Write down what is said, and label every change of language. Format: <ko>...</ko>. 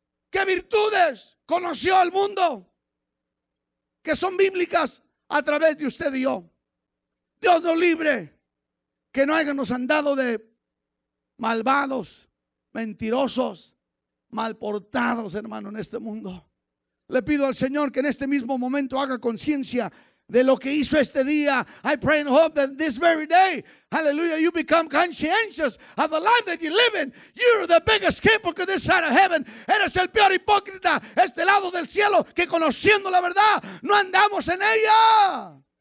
<es>¿Qué virtudes conoció el mundo? Que son bíblicas a través de usted y yo. Dios nos libre. Que no hayamos andado de malvados, mentirosos, malportados, hermano, en este mundo. Le pido al Señor que en este mismo momento haga conciencia de lo que hizo este día.</es> <en>I pray and hope that this very day, hallelujah, you become conscientious of the life that you live in. You're the biggest hypocrite this side of heaven.</en> <es>Eres el peor hipócrita este lado del cielo, que conociendo la verdad no andamos en ella.</es>